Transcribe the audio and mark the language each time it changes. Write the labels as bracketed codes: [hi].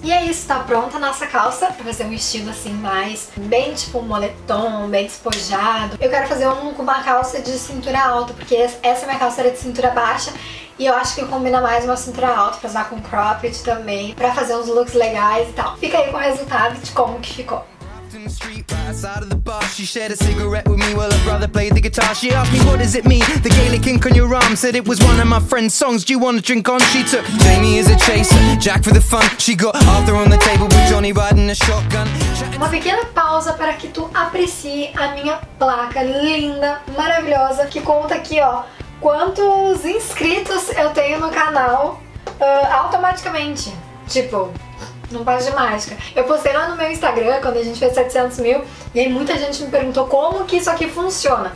[pt] E é isso, tá pronta a nossa calça pra fazer um estilo assim, mais bem tipo moletom, bem despojado. Eu quero fazer um com uma calça de cintura alta, porque essa minha calça era de cintura baixa e eu acho que combina mais uma cintura alta pra usar com cropped também, pra fazer uns looks legais e tal. Fica aí com o resultado de como que ficou. [en] In the street right outside of the bar, she shared a cigarette with me while her brother played the guitar. She asked me, what does it mean, the Gaelic ink on your arm? Said it was one of my friend's songs, do you want to drink on? She took Jamie as a chaser, Jack for the fun. She got Arthur on the table with Johnny riding a shotgun. [pt] Uma pequena pausa para que tu aprecie a minha placa linda, maravilhosa, que conta aqui, ó, quantos inscritos eu tenho no canal automaticamente, tipo... não passa de mágica. Eu postei lá no meu Instagram, quando a gente fez 700 mil, e aí muita gente me perguntou como que isso aqui funciona.